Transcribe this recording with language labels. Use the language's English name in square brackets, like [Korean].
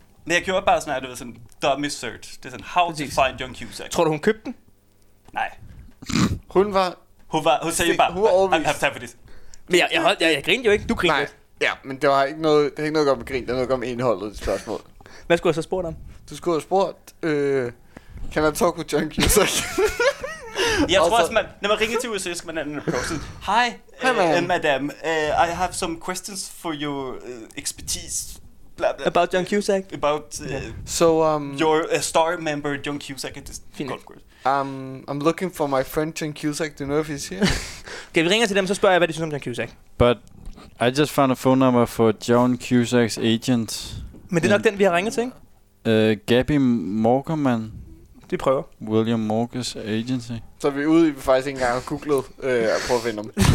[Danish] Men jeg gjorde bare sådan her. Det var sådan dummy search. Det er sådan [English] how to find John Cusack. [Danish] Tror du hun købte den? Nej. Hun sagde jo bare hun [English] I have time for this. [Danish] Men jeg grinede jo ikke. Du grinede. Nej. Ja, men det var ikke noget. Det er ikke noget at gøre med grin. Det er noget at gøre med indholdet i spørgsmålet. Hvad skulle jeg så spurgt om? Du skulle have spurgt, [English] can I talk with John Cusack? [Danish] Jeg tror også, når man ringer til USA, skal man have en person. [English] Hi, madam. I have some questions for your expertise. Blah, blah, about John Cusack? About your star member, John Cusack, at this golf course. I'm looking for my friend John Cusack. Do you know if he's here? [Danish] Okay, vi ringer til dem, så spørger jeg, hvad de synes om John Cusack. [English] But I just found a phone number for John Cusack's agent. [Danish] Men det er nok den, vi har ringet til, ikke? Gabby Morgerman. Det prøver. William Morgers Agency. Så er vi ude i, vi faktisk ikke engang har googlet at prøve at finde dem.